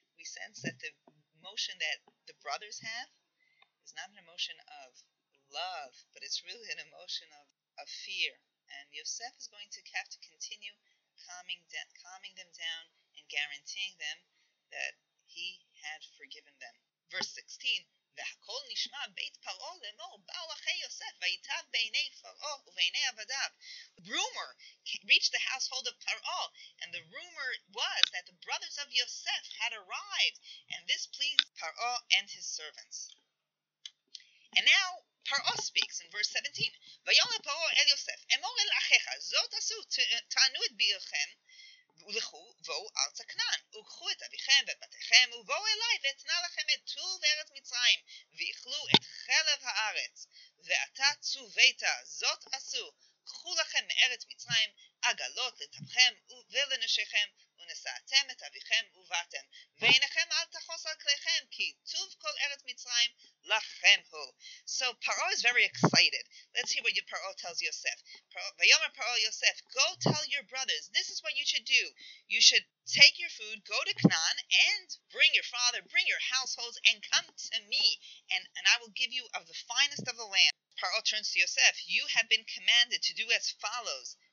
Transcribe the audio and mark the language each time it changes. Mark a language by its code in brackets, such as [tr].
[en] We sense that the emotion that the brothers have is not an emotion of love, but it's really an emotion of fear. And Yosef is going to have to continue calming them down and guaranteeing them that he had forgiven them. Verse 16. [he] והכל נשמע בית פרעה לאמור באו אחרי יוסף ויתב בעיני פרעה ובעיני עבדיו. [en] Rumor reached the household of Pharaoh, and the rumor was that the brothers of Yosef had arrived, and this pleased Pharaoh and his servants. And now Pharaoh speaks in verse 17. [he] ויאמר פרעה אל יוסף אמור אל אחיך זאת עשו תענו את בירכם ולכו בואו ארץ כנען וקחו את אביכם ואת בתיכם ובואו אליי ואתנה לכם את טול וארץ מצרים ואיכלו את חלב הארץ ואתה צווית זאת עשו קחו לכם מארץ מצרים עגלות לטבכם ולנשיכם ונשאתם את אביכם ובאתם ועיניכם אל תחוס על כליכם כי טוב כל ארץ מצרים לכם הוא. [en] So Paro is very excited. Let's hear what Paro tells Yosef. [he] Vayomer Paro Yosef, [en] go tell your brothers, this is what you should do. You should take your food, go to Canaan, and bring your father, bring your households, and come to me, and I will give you of the finest of the land. Paro turns to Yosef, you have been commanded to do as follows.